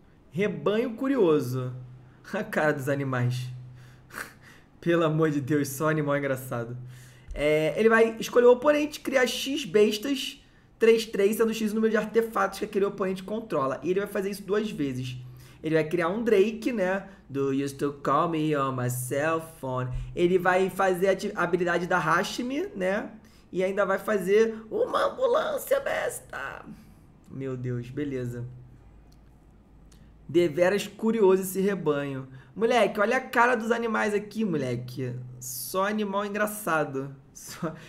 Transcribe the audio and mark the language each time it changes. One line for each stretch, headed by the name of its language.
Portuguese: Rebanho Curioso. A cara dos animais. Pelo amor de Deus, só animal engraçado. É, ele vai escolher o oponente, criar X bestas 3-3, sendo X o número de artefatos que aquele oponente controla. E ele vai fazer isso duas vezes. Ele vai criar um Drake, né?
English: Do you still call me on my cell phone?
Portuguese: Ele vai fazer a habilidade da Hashimi, né? E ainda vai fazer uma ambulância, besta! Meu Deus, beleza. Deveras curioso esse rebanho. Moleque, olha a cara dos animais aqui, moleque. Só animal engraçado. Só.